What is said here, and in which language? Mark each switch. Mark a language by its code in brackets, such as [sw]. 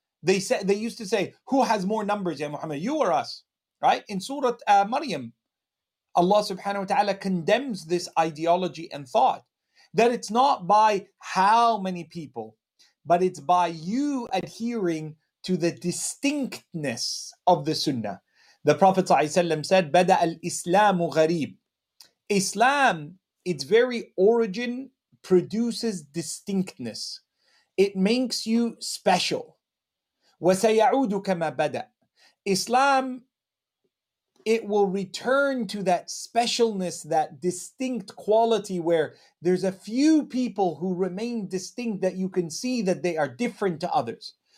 [en] They used to say, who has more numbers, Ya Muhammad? You or us, right? In Surah Maryam, Allah subhanahu wa ta'ala condemns this ideology and thought that it's not by how many people, but it's by you adhering to the distinctness of the sunnah. The Prophet ﷺ said, [ar] بَدَأَ الْإِسْلَامُ غَرِيبٌ. [en] Islam, its very origin, produces distinctness. It makes you special. [ar] وَسَيَعُودُ كَمَا بَدَأَ. [en] Islam, it will return to that specialness, that distinct quality where there's a few people who remain distinct that you can see that they are different to others.